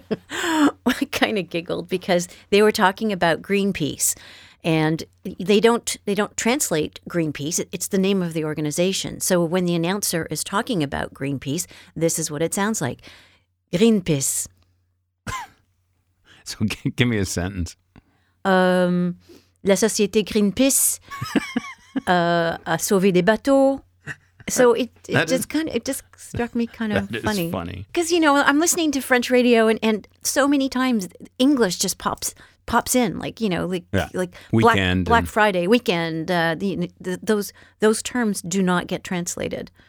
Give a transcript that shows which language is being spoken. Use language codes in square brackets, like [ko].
[en] I kind of giggled because they were talking about Greenpeace. And they don't translate Greenpeace. It's the name of the organization. So when the announcer is talking about Greenpeace, this is what it sounds like. Greenpeace. So give me a sentence. [fr] La société Greenpeace a sauvé des bateaux. [en] So it just struck me kind of funny. That is funny. Because, you know, I'm listening to French radio, and so many times English just pops in, like, you know, like weekend, Black Friday weekend, those terms do not get translated.